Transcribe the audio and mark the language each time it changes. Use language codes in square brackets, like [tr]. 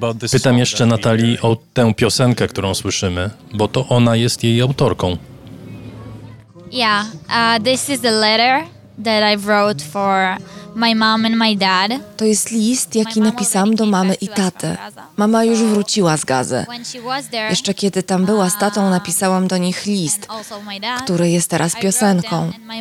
[pl] Pytam jeszcze Natalii o tę piosenkę, którą słyszymy, bo to ona jest jej autorką. [en] Yeah, this is a letter that I wrote for my mom and my dad. [pl] To jest list, jaki napisałam do mamy i taty. Mama już wróciła z Gazy. Jeszcze kiedy tam była z tatą, napisałam do nich list, który jest teraz piosenką.